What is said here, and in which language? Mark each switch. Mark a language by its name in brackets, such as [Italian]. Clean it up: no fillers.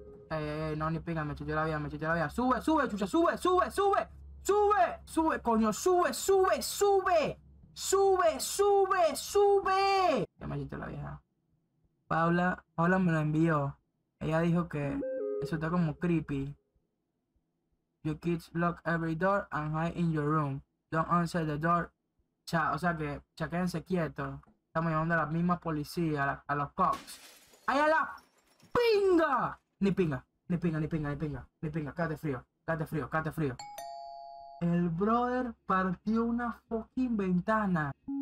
[Spanish] Ey, no, ni pinga, me chuchó la vida, me chuchó la vida. Sube, sube, chucha, sube, sube, sube. Sube, sube, coño, sube, sube, sube. Sube, sube, sube. Ya me chuchó la vieja. Paula me lo envió. Ella dijo que eso está como creepy. [English] Your kids lock every door and hide in your room. Don't answer the door. [Spanish] Cha, o sea que, cha, quédense quietos. Estamos llamando a la misma policía, a los cops. ¡Ay, a la pinga! Ni pinga. Ni pinga, cállate frío, cállate frío. El brother partió una fucking ventana.